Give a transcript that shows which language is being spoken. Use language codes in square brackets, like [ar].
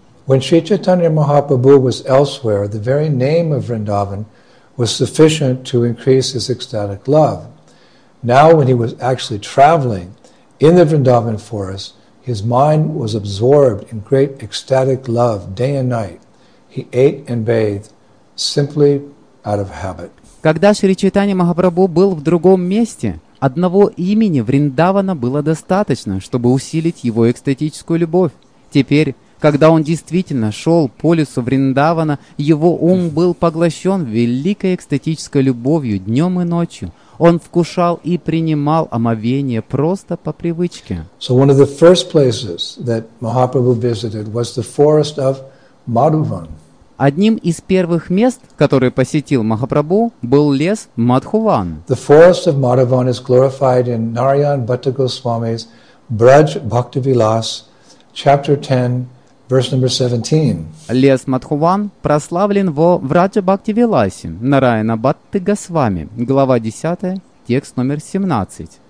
[en] When Sri Chaitanya Mahaprabhu was elsewhere, the very name of Vrindavan was sufficient to increase his ecstatic love. Now, when he was actually traveling in the Vrindavan forest, his mind was absorbed in great ecstatic love day and night. He ate and bathed simply out of habit. [ru] Когда Шри Чайтанья Махапрабху был в другом месте, одного имени Вриндавана было достаточно, чтобы усилить его экстатическую любовь. Теперь, когда он действительно шел по лесу Вриндавана, его ум был поглощен великой экстатической любовью днем и ночью. Он вкушал и принимал омовение просто по привычке. [en] So one of the first places that Mahaprabhu visited was the forest of Madhuvan. [ru] Одним из первых мест, которые посетил Махапрабху, был лес Мадхуван. [en] The forest of Madhuvan is glorified in Narayan Bhatta Goswami's Braj Bhakti Vilas, chapter 10, verse number 17. [ru] Лес Мадхуван прославлен во Враджа Бхакти Виласе, Нараяна Бхатты Госвами, глава 10, текст номер 17.